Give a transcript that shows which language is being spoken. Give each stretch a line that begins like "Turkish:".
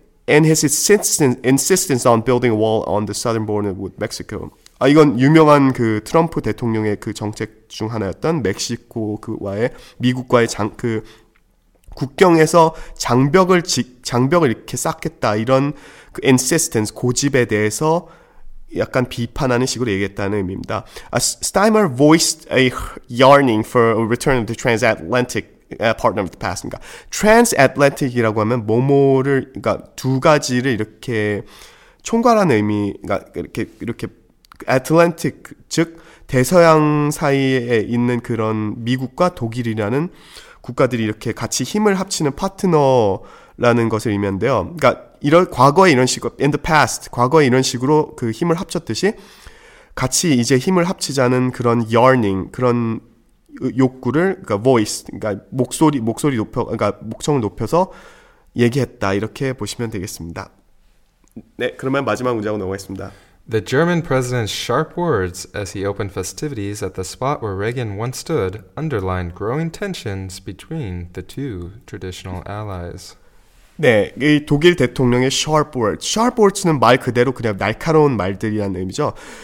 English: And his insistence on building a wall on the southern border with Mexico.
Korean: 아, 이건 유명한 그 트럼프 대통령의 그 정책 중 하나였던 멕시코 그와의 미국과의 장 그 국경에서 장벽을 이렇게 쌓겠다 이런 그 insistence 고집에 대해서 약간 비판하는 식으로 얘기했다는 의미입니다.
English: Steimer voiced a yearning for a return of the transatlantic partner of the past.
Korean: 그러니까 transatlantic이라고 하면 뭐뭐를 그러니까 두 가지를 이렇게 총괄하는 의미, 그러니까 이렇게 Atlantic 즉 대서양 사이에 있는 그런 미국과 독일이라는 국가들이 이렇게 같이 힘을 합치는 파트너라는 것을 의미한대요. 그러니까 이런 과거에 이런 식으로
English: in the past
Korean: 과거에 이런 식으로 그 힘을 합쳤듯이 같이 이제 힘을 합치자는 그런 yearning 그런 욕구를 그러니까 voice 그러니까 목소리 높여 그러니까 목청을 높여서 얘기했다 이렇게 보시면 되겠습니다. 네, 그러면 마지막 문장으로 넘어가겠습니다.
English: The German president's sharp words as he opened festivities at the spot where Reagan once stood underlined growing tensions between the two traditional allies.
Korean: 네, 이 독일 대통령의 sharp words. Sharp words는 말 그대로 그냥 날카로운 말들이라는 의미죠.